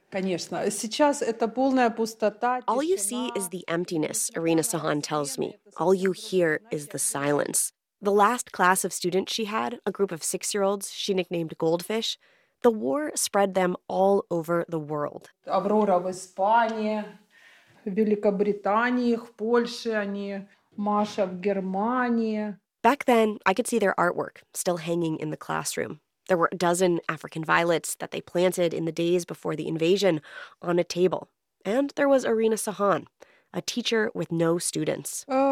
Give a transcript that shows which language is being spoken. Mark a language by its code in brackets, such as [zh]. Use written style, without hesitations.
[en] All you see is the emptiness, Irina Sahan tells me. All you hear is the silence. The last class of students she had, a group of six-year-olds she nicknamed Goldfish, the war spread them all over the world. [uk] Аврора в Іспанії, в Великобританії, в Польщі, вони, Маша в Германії. [en] Back then, I could see their artwork still hanging in the classroom. There were a dozen African violets that they planted in the days before the invasion on a table. And there was Irina Sahan, a teacher with no students.